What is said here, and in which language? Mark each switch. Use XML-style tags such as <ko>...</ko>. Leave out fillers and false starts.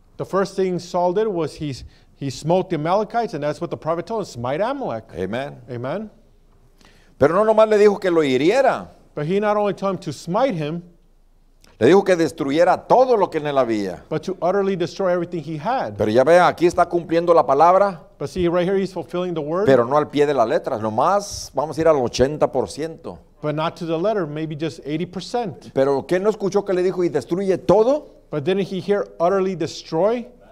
<en>The first thing Saul did was he smote the Amalekites, and that's what the prophet told him, smite Amalek. Amen. Amen.</en> <es>Pero no nomás le dijo que lo hiriera.</es> <en>But he not only told him to smite him,</en> <es>le dijo que destruyera todo lo que en él había.</es> <en>But to utterly destroy everything he had.</en> <es>Pero ya vea, aquí está cumpliendo la palabra.</es> <en>But see, right here he's fulfilling the word.</en> <es>Pero no al pie de la letra, nomás vamos a ir al 80%.</es> <en>But not to the letter, maybe just 80%.</en> <es>Pero ¿qué no escuchó que le dijo y destruye todo?</es> <en>But didn't he hear utterly destroy?</en>